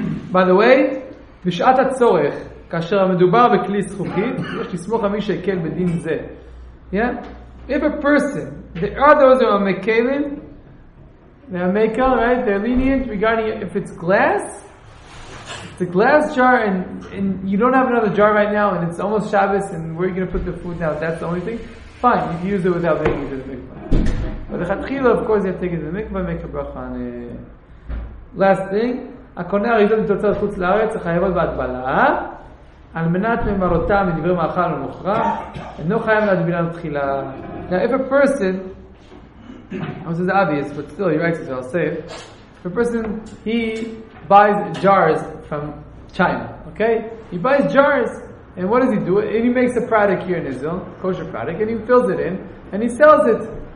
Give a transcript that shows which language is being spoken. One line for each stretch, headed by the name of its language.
English: By the way,
Hebrew: בשעת הצורך, כאשר המדובר בכלי זכוכית, יש לסמוך על מי שהקל בדין זה.
English: Yeah? If a person, there are those who are mekelim, they are mekel, right? They're lenient regarding if it's glass. It's a glass jar and you don't have another jar right now and it's almost Shabbos and where are you going to put the food now? That's the only thing. Fine, you can use it without making it to the mikvah. But the chatchila, of course, you have to take it to the mikvah, make a bracha on last thing.
Hebrew: הקונה אריזות מתוצרת חוץ לארץ החייבות בהטבלה על מנת ממרותה מדברי מאכל ומוכרה אינו חייב להדבילה לתחילה.
English: Now if a person, this is obvious but still you're right, so I'll say it. If a person, he buys jars from China, okay? He buys jars and what does he do? And he makes a product here in Israel, kosher product, and he fills it in and he sells it.